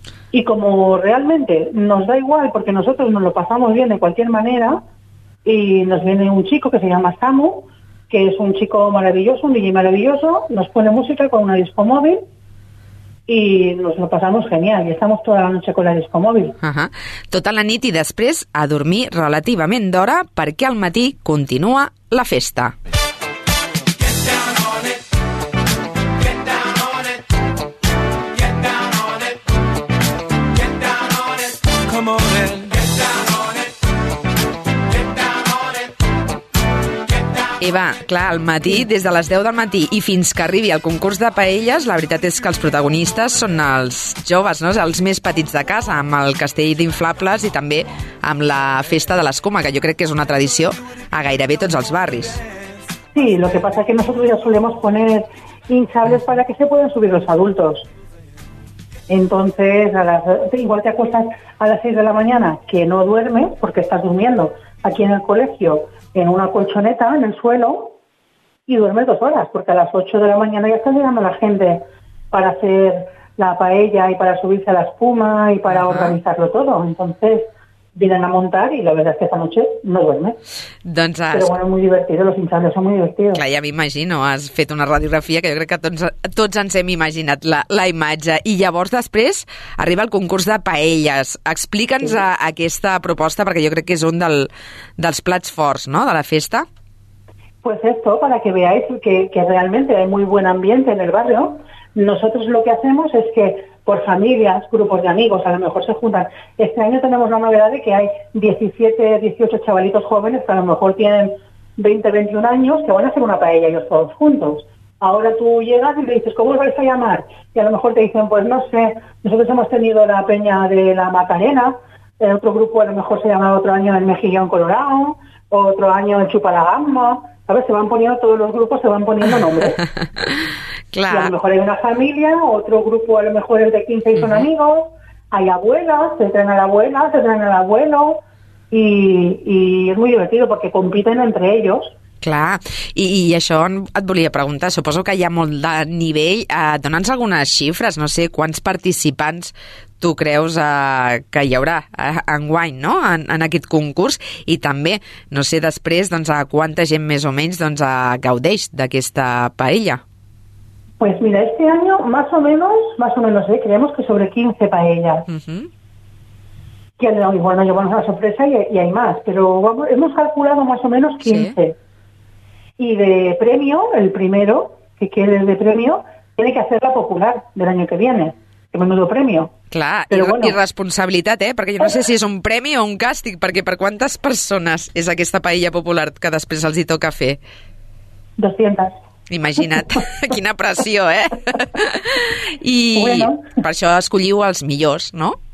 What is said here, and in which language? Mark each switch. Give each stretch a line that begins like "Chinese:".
Spanish: Y como realmente nos da igual, porque nosotros nos lo pasamos bien de cualquier manera, y nos viene un chico que se llama Samu, que es un chico maravilloso, un DJ maravilloso, nos pone música con una disco móvil, y nos lo pasamos genial y estamos toda la noche con la disco móvil. Ajá.
Catalan: Tota la nit i després a dormir relativament d'hora perquè al matí continua la festa. Eva, clar, al matí, des de les 10 del matí i fins que arribi el concurs de paelles, la veritat és que els protagonistes són els joves, no?, els més petits de casa, amb el castell d'inflables i també amb la festa de l'escuma, que jo crec que és una tradició a gairebé tots els barris.
Spanish: Sí, lo que pasa es que nosotros ya solemos poner hinchables para que se puedan subir los adultos. Entonces, igual te acuestas a las 6 de la mañana, que no duermes porque estás durmiendo aquí en el colegio, en una colchoneta, en el suelo, y duermes 2 horas, porque a las 8 de la mañana ya está llegando la gente para hacer la paella y para subirse a la espuma y para organizarlo todo. Entonces, vienen a montar y la verdad es que esta noche no duerme.
Catalan: Doncs has...
Spanish: Pero bueno, muy divertido, los hinchables son muy divertidos.
Catalan: Clar, ja m'imagino, has fet una radiografia que jo crec que tots ens hem imaginat la imatge. I llavors després arriba el concurs de paelles. Explica'ns sí. Aquesta proposta, perquè jo crec que és un dels plats forts, no?, de la festa.
Spanish: Pues esto, para que veáis que realmente hay muy buen ambiente en el barrio. Nosotros lo que hacemos es que por familias, grupos de amigos, a lo mejor se juntan. Este año tenemos la novedad de que hay 17, 18 chavalitos jóvenes que a lo mejor tienen 20, 21 años que van a hacer una paella ellos todos juntos. Ahora tú llegas y le dices, ¿cómo os vais a llamar? Y a lo mejor te dicen, pues no sé, nosotros hemos tenido la peña de la Macarena, el otro grupo a lo mejor se llama otro año el Mejillón Colorado, otro año el Chupalagamba. A ver, se van poniendo, todos los grupos se van poniendo nombres. Claro. Y a lo mejor hay una familia, otro grupo a lo mejor es de 15 y son uh-huh. amigos, hay abuelas, se traen a la abuela, se traen al abuelo, y es muy divertido porque compiten entre ellos.
Catalan: Clar, i això et volia preguntar, suposo que hi ha molt de nivell, dona'ns algunes xifres, no sé quants participants tu creus que hi haurà enguany, no?, en aquest concurs, i també, no sé, després, doncs, a quanta gent més o menys doncs, gaudeix d'aquesta paella.
Spanish: Pues mira, este año más o menos, creemos que sobre 15 paellas. Uh-huh. Que bueno, llevamos una sorpresa y hay más, pero hemos calculado más o menos 15. Sí. Y de premio, el primero que quede de premio, tiene que hacer la popular del año que viene. Que menudo premio.
Catalan: Clar, bueno. Irresponsabilitat, perquè jo no sé si és un premi o un càstig, perquè per quantes persones és aquesta paella popular que després els hi toca fer? 200. Imagina't, quina pressió, eh? I bueno. Per això escolliu els millors, no?